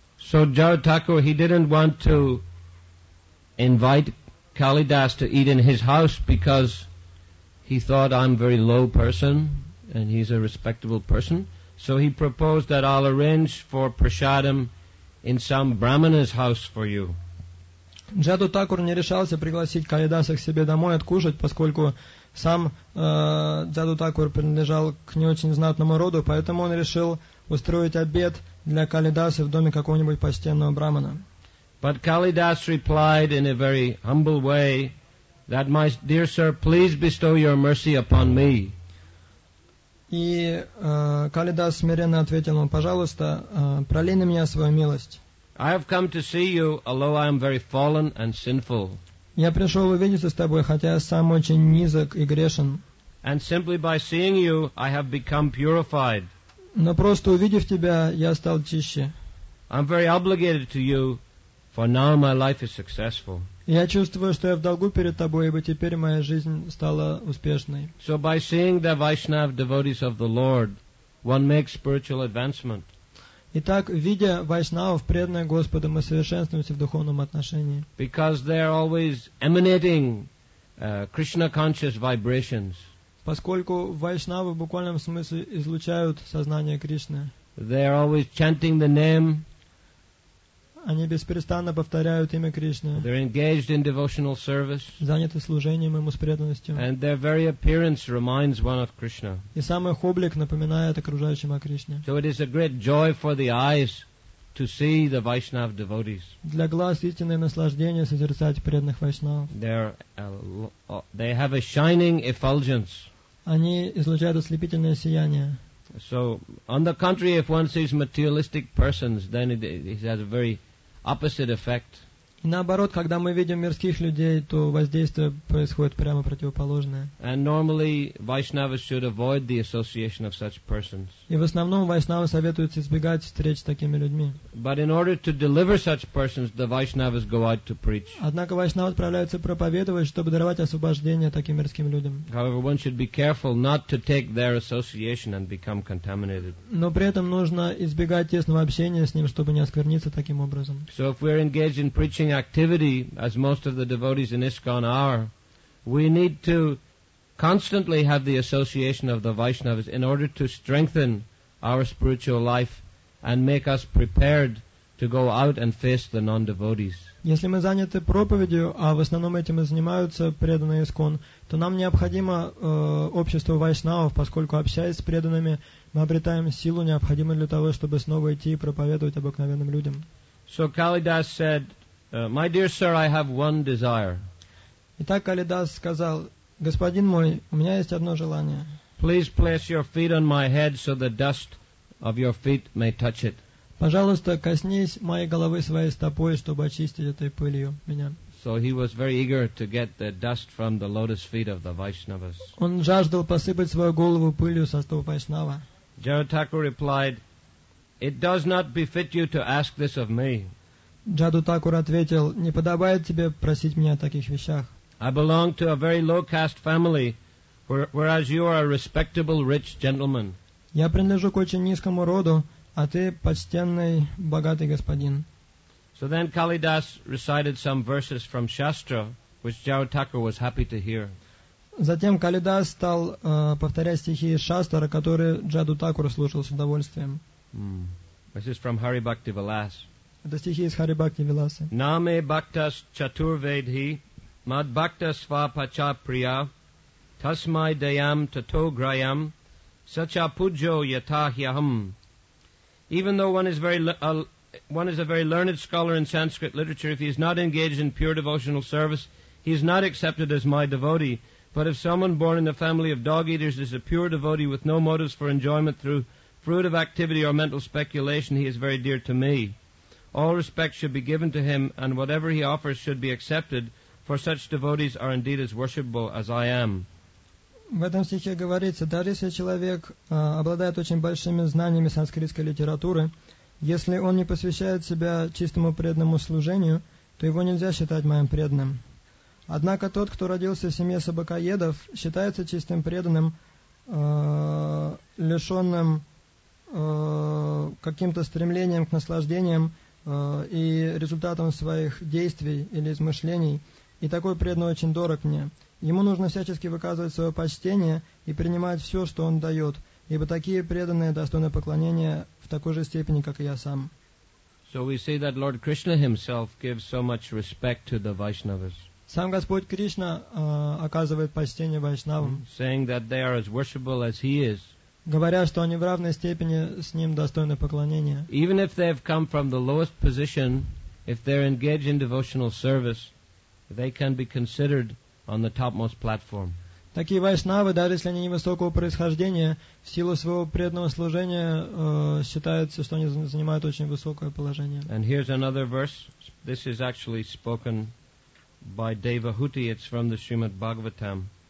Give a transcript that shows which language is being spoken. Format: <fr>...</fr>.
<en>So Jaru Thakur, he didn't want to invite Kalidas to eat in his house because he thought, "I'm a very low person, and he's a respectable person." So he proposed that I'll arrange for prasadam in some brahmana's house for you.</en> <ru>Jaru Thakur не решался пригласить Калидаса к себе домой откушать, поскольку сам Jaru Thakur принадлежал к не очень знатному роду, поэтому он решил устроить обед для Калидаса в доме какого-нибудь почтенного брахмана.</ru> <en>But Kalidas replied in a very humble way, that, "My dear sir, please bestow your mercy upon me."</en> <ru>И Калидас смиренно ответил ему, "Пожалуйста, пролей на меня свою милость."</ru> <en>"I have come to see you, although I am very fallen and sinful."</en> <ru>Я пришел увидеться с тобой, хотя я сам очень низок и грешен.</ru> <en>"And simply by seeing you, I have become purified."</en> <ru>Но просто увидев тебя, я стал чище.</ru> <en>"I'm very obligated to you, for now my life is successful."</en> <ru>Я чувствую, что я в долгу перед тобой, ибо теперь моя жизнь стала успешной.</ru> <en>So by seeing the Vaishnav devotees of the Lord, one makes spiritual advancement.</en> <ru>Итак, видя вайшнавов, преданных Господу, мы совершенствуемся в духовном отношении.</ru> <en>Because they are always emanating Krishna conscious vibrations.</en> <ru>Поскольку вайшнавы в буквальном смысле излучают сознание Кришны.</ru> <en>They are always chanting the name.</en> <ru>Они беспрестанно повторяют имя Кришны.</ru> <en>They're engaged in devotional service.</en> <ru>Заняты служением ему с преданностью.</ru> <en>And their very appearance reminds one of Krishna.</en> <ru>И сам их облик напоминает окружающим о Кришне.</ru> <en>So it is a great joy for the eyes to see the Vaishnav devotees.</en> <ru>Для глаз истинное наслаждение созерцать преданных вайшнав.</ru> <en>They have a shining effulgence.</en> <ru>Они излучают ослепительное сияние.</ru> <en>So, on the contrary, if one sees materialistic persons, then it has a very opposite effect.</en> <ru>И наоборот, когда мы видим мирских людей, то воздействие происходит прямо противоположное.</ru> <en>And normally, Vaishnavas should avoid the association of such persons.</en> <ru>И в основном вайшнавы советуются избегать встреч с такими людьми.</ru> <en>But in order to deliver such persons, the Vaishnavas go out to preach.</en> <ru>Однако вайшнавы отправляются проповедовать, чтобы даровать освобождение таким мирским людям.</ru> <en>However, one should be careful not to take their association and become contaminated.</en> <ru>Но при этом нужно избегать тесного общения с ним, чтобы не оскверниться таким образом.</ru> <en>So if we're engaged in preaching activity, as most of the devotees in ISKCON are, we need to constantly have the association of the Vaishnavas in order to strengthen our spiritual life and make us prepared to go out and face the non-devotees.</en> <ru>Если мы заняты проповедью, а в основном этим и занимаются преданные ИСКОН, то нам необходимо общество вайшнавов, поскольку общаясь с преданными, мы обретаем силу, необходимую для того, чтобы снова идти и проповедовать обыкновенным людям.</ru> <en>So Kalidas said, my dear sir, I have one desire.</en> <ru>Итак, Калидас сказал: Господин мой, у меня есть одно желание.</ru> <en>Please place your feet on my head so the dust of your feet may touch it.</en> <ru>Пожалуйста, коснись моей головы своей стопой, чтобы очистить этой пылью меня.</ru> <en>So he was very eager to get the dust from the lotus feet of the Vaishnavas.</en> <ru>Он жаждал посыпать свою голову пылью со стоп вайшнава.</ru> <en>Jarataka replied, "It does not befit you to ask this of me."</en> <ru>Джаду Такур ответил, «Не подобает тебе просить меня о таких вещах».</ru> <en>I belong to a very low caste family, whereas you are a respectable rich gentleman.</en> <ru>Я принадлежу к очень низкому роду, а ты почтенный, богатый господин.</ru> <en>So then Kalidas recited some verses from Shastra, which Джаду Такур was happy to hear.</en> <ru>Затем Калидас стал повторять стихи из Шастра, которые Джаду Такур слушал с удовольствием.</ru> <en>This is from Hari Bhakti Vilas.</en> <ru>Это стихи из Хари Бхакти Виласы.</ru> <sa>Наме бхактас чатурведхи, мад бхактас ва пача прия, тасмай даям тато граям, сача пуджо ятахьяхам.</sa> <en>Even though one is a very learned scholar in Sanskrit literature, if he is not engaged in pure devotional service, he is not accepted as my devotee. But if someone born in a family of dog eaters is a pure devotee with no motives for enjoyment through fruit of activity or mental speculation, he is very dear to me. All respect should be given to him, and whatever he offers should be accepted, for such devotees are indeed as worshipable as I am.</en> <ru>В этом стихе говорится, даже если человек обладает очень большими знаниями санскритской литературы, если он не посвящает себя чистому преданному служению, то его нельзя считать моим преданным. Однако тот, кто родился в семье собакоедов, считается чистым преданным, лишенным каким-то стремлением к наслаждениям, и результатом своих действий или измышлений, и такой преданный очень дорог мне. Ему нужно всячески выказывать свое почтение и принимать все, что он дает, ибо такие преданные достойны поклонения в такой же степени, как и я сам.</ru> <en>So we see that Lord Krishna himself gives so much respect to the Vaishnavas.</en> <ru>Сам Господь Кришна оказывает почтение вайшнавам,</ru> <en>saying that they are as worshipable as he is.</en> <ru>Говоря, что они в равной степени с ним достойны поклонения.</ru> <en>Even if they have come from the lowest position, if they are engaged in devotional service, they can be considered on the topmost platform.</en> <ru>Такие вайшнавы, даже если они невысокого происхождения, в силу своего преданного служения считается, что они занимают очень высокое положение.</ru> <en>And here's another verse. This is actually spoken by Devahuti. It's from the Srimad Bhagavatam.</en>